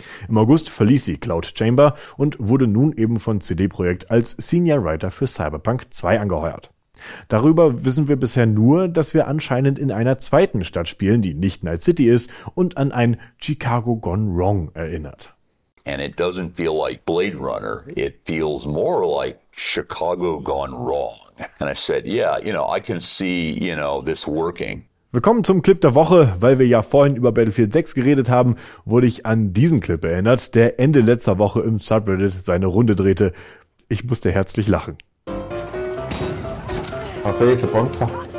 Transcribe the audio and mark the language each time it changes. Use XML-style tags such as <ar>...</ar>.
<de>Im August verließ sie Cloud Chamber und wurde nun eben von CD Projekt als Senior Writer für Cyberpunk 2 angeheuert. Darüber wissen wir bisher nur, dass wir anscheinend in einer zweiten Stadt spielen, die nicht Night City ist und an ein Chicago Gone Wrong erinnert.</de> <en>And it doesn't feel like Blade Runner. It feels more like Chicago gone wrong. And I said, yeah, you know, I can see, you know, this working.</en> <de>Willkommen zum Clip der Woche. Weil wir ja vorhin über Battlefield 6 geredet haben, wurde ich an diesen Clip erinnert, der Ende letzter Woche im Subreddit seine Runde drehte. Ich musste herzlich lachen.</de> <en>Okay, it's a bunker.</en>